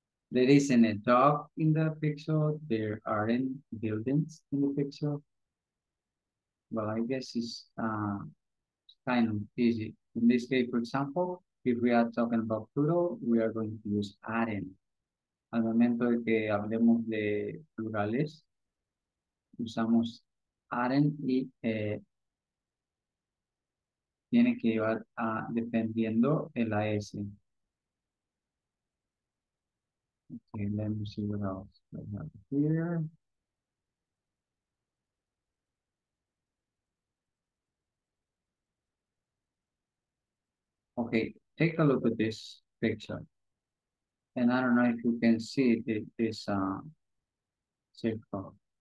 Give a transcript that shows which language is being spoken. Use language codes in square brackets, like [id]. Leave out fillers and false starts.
[en] There isn't a dog in the picture. There aren't buildings in the picture. Well, I guess it's kind of easy. In this case, for example, if we are talking about plural, we are going to use aren't. [es] Al momento de que hablemos de plurales, usamos aren't y tiene que llevar a dependiendo el AS. [en] Okay, let me see what else I have here. Okay, take a look at this picture. And I don't know if you can see this circle.